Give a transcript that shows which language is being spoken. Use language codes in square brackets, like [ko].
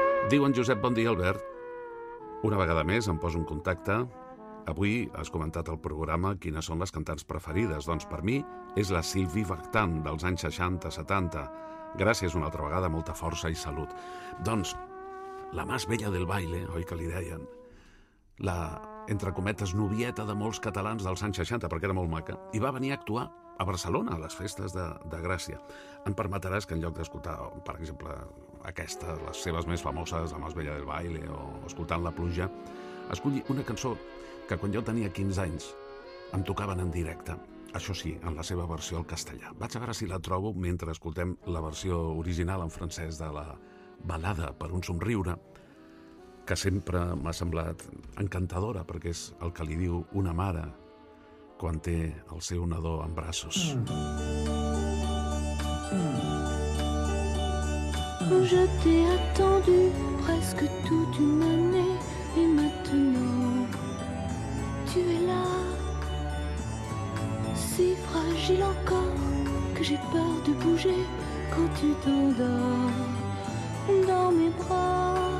[ca] Diu en Josep: bon dia, Albert. Una vegada més em poso en contacte. Avui has comentat al programa quines són les cantants preferides. Doncs per mi és la Sylvie Vartan dels anys 60-70. Gràcies una altra vegada, molta força i salut. Doncs la más bella del baile, oi que li deien? La, entre cometes, novieta de molts catalans dels anys 60, perquè era molt maca, i va venir a actuar a Barcelona, a les festes de Gràcia. Em permetràs que en lloc d'escoltar, per exemple, aquesta, les seves més famoses, la más bella del baile, o escoltant la pluja, escolli una cançó que quan jo tenia 15 anys em tocaven en directe, això sí, en la seva versió al castellà. Vaig a veure si la trobo mentre escoltem la versió original en francès de la balada per un somriure, que sempre m'ha semblat encantadora, perquè és el que li diu una mare quan té el seu nadó en braços. [fr] Je t'ai attendu presque toute une année et maintenant tu es là, si fragile encore que j'ai peur de bouger quand tu t'endors dans mes bras.